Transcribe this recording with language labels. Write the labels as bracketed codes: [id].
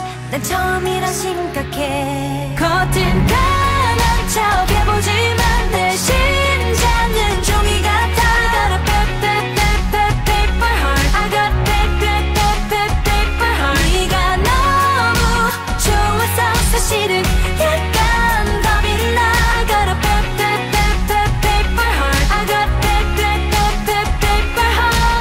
[ko] 난 처음이라 심각해. 겉은 가면 척해 보지만 내 심장은 종이 같아. [en] I got a paper, paper, paper heart. I got paper, paper, paper heart. [ko] 네가 너무 좋아서 사실은 약간 겁이 나. [en] I got a paper, paper, paper heart. I got paper, paper, paper heart.